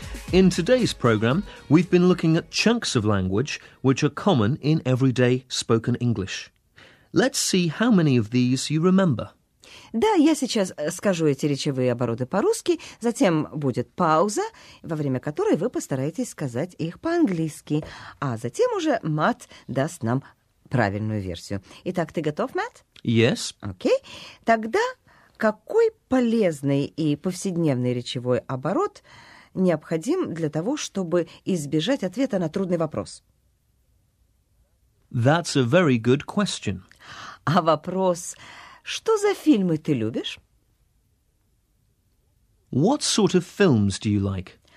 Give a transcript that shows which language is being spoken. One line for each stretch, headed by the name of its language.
English: In today's programme, we've been looking at chunks of language which are common in everyday spoken English. Let's see how many of these you remember.
Russian: Да, я сейчас скажу эти речевые обороты по-русски, затем будет пауза, во время которой вы постараетесь сказать их по-английски, а затем уже Мат даст нам правильную версию. Итак, ты готов, Мат?
English: Yes.
Russian: Окей. Тогда какой полезный и повседневный речевой оборот необходим для того, чтобы избежать ответа на трудный вопрос?
English: That's a very good question.
Russian: А вопрос, что за фильмы ты любишь?
English: What sort of films do you like?